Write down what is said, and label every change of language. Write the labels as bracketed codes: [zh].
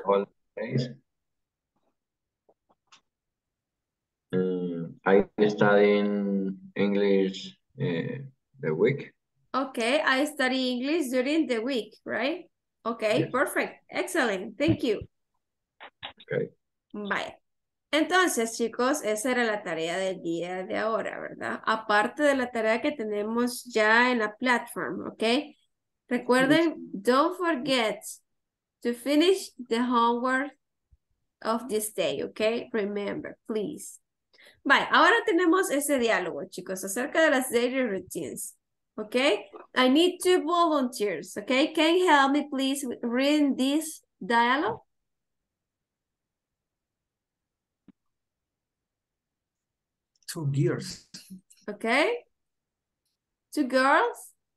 [en] All days. I study in English the week. Okay, I study English during the week, right? Okay, yes. Perfect. Excellent. Thank you. Okay. Bye. [es] Entonces, chicos, esa era la tarea del día de ahora, ¿verdad? Aparte de la tarea que tenemos ya en la platform, ¿ok? Recuerden, [en] don't forget to finish the homework of this day, [es] ¿ok? [en] Remember, please. Bye. [es] Ahora tenemos ese diálogo, chicos, acerca de las daily routines, ¿ok? [en] I need two volunteers, [es] ¿ok? [en] Can you help me, please, read this dialogue? Two girls. Okay. Two girls.